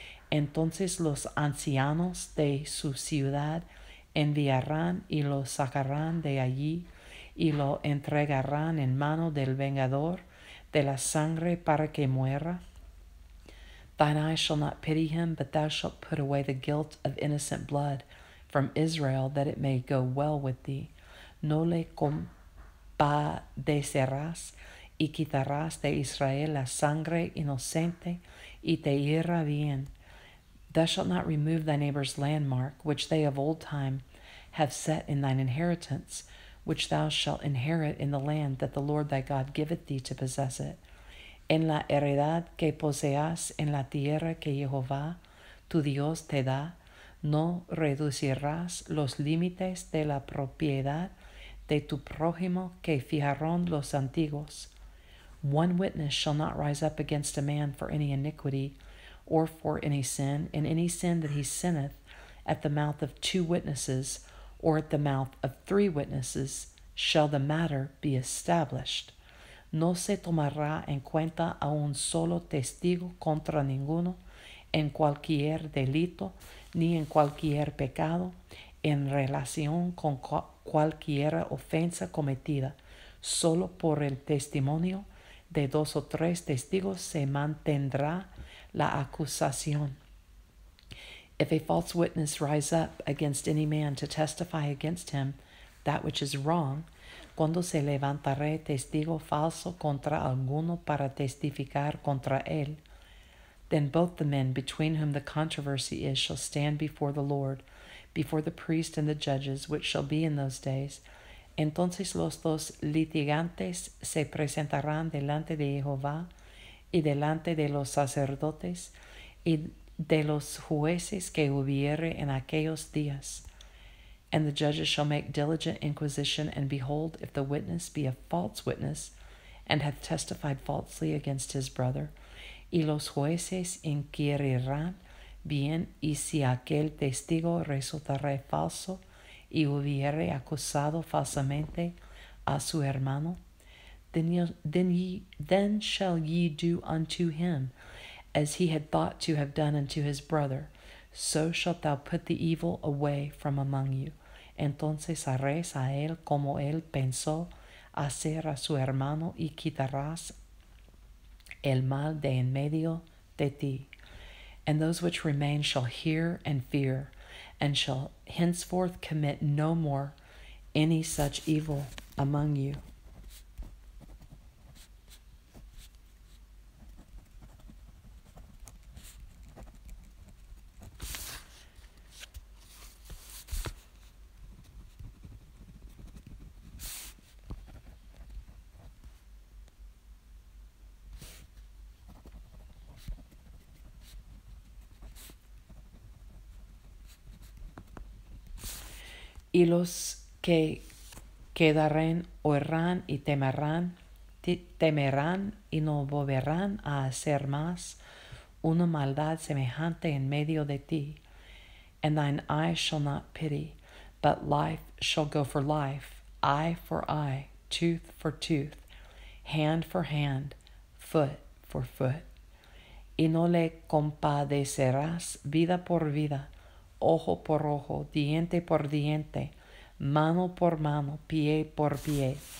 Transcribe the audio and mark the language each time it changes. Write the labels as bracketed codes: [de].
[es] Entonces los ancianos de su ciudad enviarán y lo sacarán de allí, y lo entregarán en mano del vengador de la sangre para que muera. [en] Thine eyes shall not pity him, but thou shalt put away the guilt of innocent blood from Israel, that it may go well with thee. [es] No le compadecerás, y quitarás de Israel la sangre inocente, y te irá bien. [en] Thou shalt not remove thy neighbor's landmark, which they of old time have set in thine inheritance, which thou shalt inherit in the land that the Lord thy God giveth thee to possess it. [es] En la heredad que poseas en la tierra que Jehová tu Dios te da, no reducirás los límites de la propiedad de tu prójimo que fijaron los antiguos. [en] One witness shall not rise up against a man for any iniquity or for any sin, in any sin that he sinneth at the mouth of two witnesses or at the mouth of three witnesses shall the matter be established. [es] No se tomará en cuenta a un solo testigo contra ninguno en cualquier delito ni en cualquier pecado en relación con cualquiera ofensa cometida, solo por el testimonio de dos o tres testigos se mantendrá la acusación. [en] If a false witness rise up against any man to testify against him that which is wrong, [es] cuando se levantare testigo falso contra alguno para testificar contra él, [en] then both the men between whom the controversy is shall stand before the Lord, before the priest and the judges, which shall be in those days. [es] Entonces los dos litigantes se presentarán delante de Jehová y delante de los sacerdotes y de los jueces que hubiere en aquellos días. [en] And the judges shall make diligent inquisition, and behold, if the witness be a false witness and hath testified falsely against his brother, [es] y los jueces inquirirán bien, y si aquel testigo resultare falso, y hubiere acusado falsamente a su hermano, [en] then shall ye do unto him as he had thought to have done unto his brother. So shalt thou put the evil away from among you. [es] Entonces haréis a él como él pensó hacer a su hermano, y quitarás el mal de en medio de ti. [en] And those which remain shall hear and fear, and shall henceforth commit no more any such evil among you. [es] Y los que quedarán oirán y temerán y no volverán a hacer más una maldad semejante en medio de ti. [en] And thine eye shall not pity, but life shall go for life, eye for eye, tooth for tooth, hand for hand, foot for foot. [es] Y no le compadecerás vida por vida, ojo por ojo, diente por diente, mano por mano, pie por pie.